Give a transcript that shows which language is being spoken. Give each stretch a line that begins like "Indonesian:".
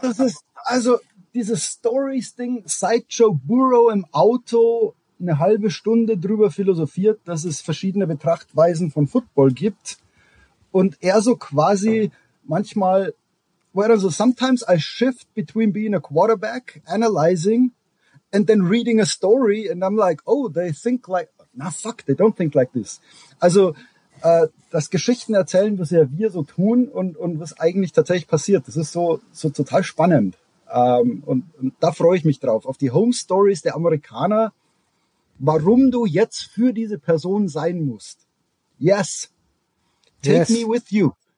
German: Das ist, also, dieses Stories-Ding, seit Joe Burrow im Auto eine halbe Stunde drüber philosophiert, dass es verschiedene Betrachtweisen von Football gibt und er so quasi manchmal
English: where so sometimes I shift between being a quarterback, analyzing, and then reading a story, and I'm like, oh, they think like, nah, fuck, they don't think like this.
German: Also, das Geschichten erzählen, was ja wir so tun und was eigentlich tatsächlich passiert, das ist so total spannend. Und da freue ich mich drauf, auf die Home Stories der Amerikaner, warum du jetzt für diese Person sein musst.
English: Yes. Take me with you.